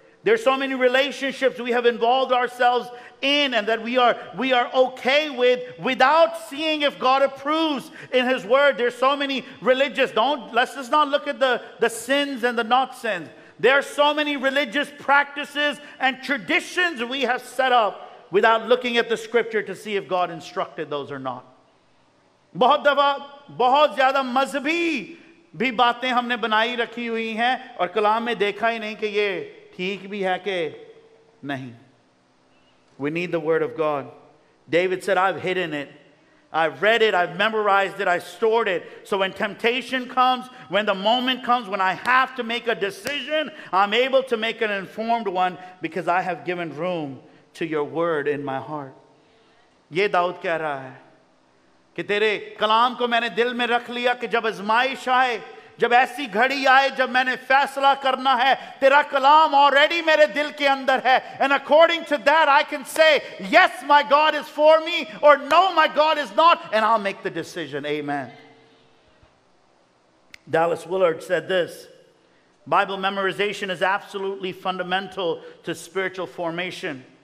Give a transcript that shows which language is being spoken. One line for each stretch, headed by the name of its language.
English: There's so many relationships we have involved ourselves in and that we are okay with without seeing if God approves in his word. There's so many religious, let's just not look at the sins and the not sins. There are so many religious practices and traditions we have set up without looking at the scripture to see if God instructed those or not.
Hindi: बहुत दफा बहुत ज्यादा मजहबी भी बातें हमने बनाई रखी हुई हैं और कलाम में देखा ही नहीं कि ये ठीक भी है कि नहीं.
English: We need the word of God. David said, I've hidden it. I've read it, I've memorized it, I've stored it. So when temptation comes, when the moment comes, when I have to make a decision, I'm able to make an informed one because I have given room to your word in my heart.
Hindi: ये दाऊद कह रहा है कि तेरे कलाम को मैंने दिल में रख लिया कि जब आजमाइश आए, जब ऐसी घड़ी आए, जब मैंने फैसला करना है, तेरा कलाम ऑलरेडी मेरे दिल के अंदर है.
English: And according to that, I can say, yes, my God is for me, or no, my God is not, and I'll make the decision. Amen. Dallas Willard said this, Bible memorization is absolutely fundamental to spiritual formation.